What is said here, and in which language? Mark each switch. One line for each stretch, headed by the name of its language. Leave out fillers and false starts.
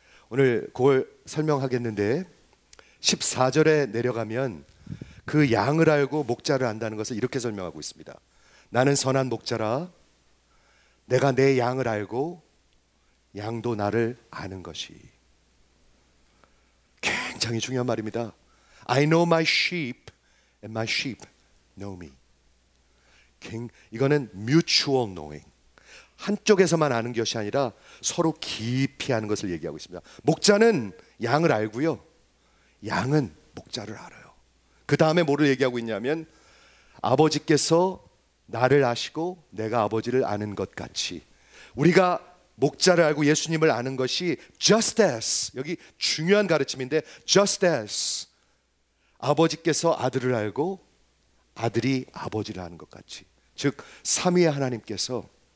Korean: 오늘 그걸 설명하겠는데 14절에 내려가면 그 양을 알고 목자를 안다는 것을 이렇게 설명하고 있습니다. 나는 선한 목자라. 내가 내 양을 알고 양도 나를 아는 것이. 굉장히 중요한 말입니다.
English: I know my sheep and my sheep know me.
Korean: 이거는
English: mutual knowing.
Korean: 한쪽에서만 아는 것이 아니라 서로 깊이 아는 것을 얘기하고 있습니다. 목자는 양을 알고요. 양은 목자를 알아요. 그 다음에 뭐를 얘기하고 있냐면 아버지께서 나를 아시고 내가 아버지를 아는 것 같이 우리가 목자를 알고 예수님을 아는 것이
English: just as
Korean: 여기 중요한 가르침인데 just as 아버지께서 아들을 알고 아들이 아버지를 아는 것 같이 즉 삼위의 하나님께서